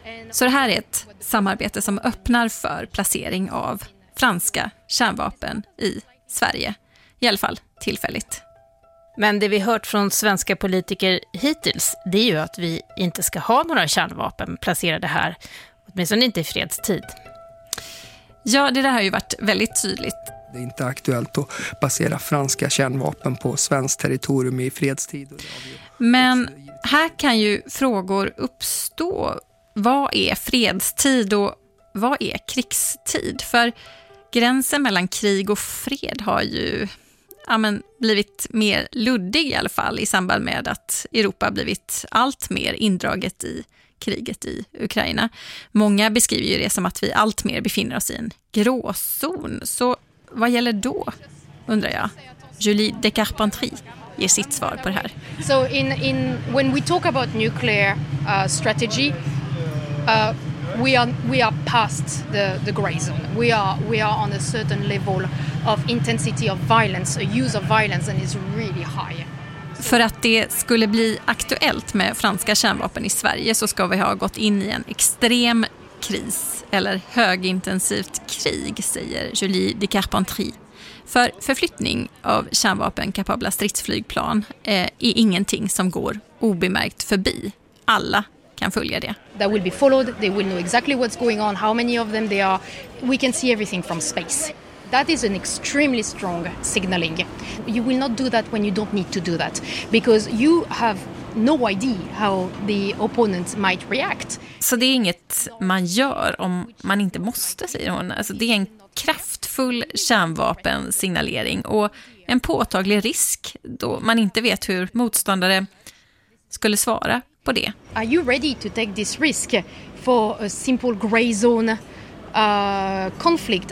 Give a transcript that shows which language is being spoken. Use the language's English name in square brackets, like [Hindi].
[Swedish] Så det här är ett samarbete som öppnar för placering av franska kärnvapen i Sverige. I alla fall tillfälligt. Men det vi hört från svenska politiker hittills, det är ju att vi inte ska ha några kärnvapen placerade här. Åtminstone inte i fredstid. Ja, det där har ju varit väldigt tydligt. Det är inte aktuellt att basera franska kärnvapen på svenskt territorium i fredstid. Men här kan ju frågor uppstå. Vad är fredstid och vad är krigstid? För gränsen mellan krig och fred har ju blivit mer luddig i alla fall i samband med att Europa blivit allt mer indraget i kriget i Ukraina. Många beskriver ju det som att vi allt mer befinner oss i en gråzon. Så vad gäller då, undrar jag. Julie de Carpentrie ger sitt svar på det här. [English] So in when we talk about nuclear strategy, we are past the gray zone. We are on a certain level of intensity of violence, a use of violence and is really high. [Swedish] För att det skulle bli aktuellt med franska kärnvapen i Sverige så ska vi ha gått in i en extrem kris eller högintensivt krig, säger Julie de Carpentrie. För förflyttning av kärnvapenkapabla stridsflygplan är ingenting som går obemärkt förbi. Alla kan följa det. [English] They will be followed, they will know exactly what's going on, how many of them they are. We can see everything from space. That is an extremely strong signaling. You will not do that when you don't need to do that, because you have no idea how the opponent might react. [Swedish] Så det är inget man gör om man inte måste, säger hon. Alltså det är en kraft kraftfull kärnvapensignalering och en påtaglig risk då man inte vet hur motståndare skulle svara på det. [English] Are you ready to take this risk for a simple gray zone conflict?